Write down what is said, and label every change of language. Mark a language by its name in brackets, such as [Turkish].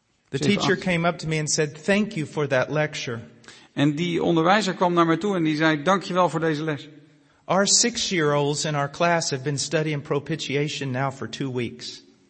[English] The teacher came up to me and said, "Thank you for that lecture." [Dutch] En die onderwijzer kwam naar mij toe en die zei, "Dankjewel voor deze les." [English] Our 6-year-olds in our class have been studying propitiation now for 2 weeks.